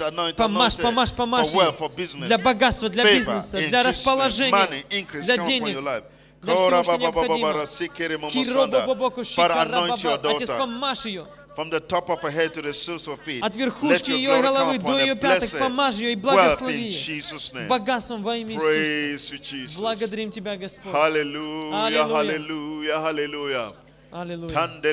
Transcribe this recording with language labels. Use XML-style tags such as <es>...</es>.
<ru>для богатства, для бизнеса, для расположения, для денег.</ru> <en>From the top of her head to the soles of her feet.</en> <ru>От верхушки ее головы до ее пяток помажь ее и благослови. Богатством во имя Иисуса. Благодарим тебя, Господь. Аллилуйя, аллилуйя, аллилуйя.</ru>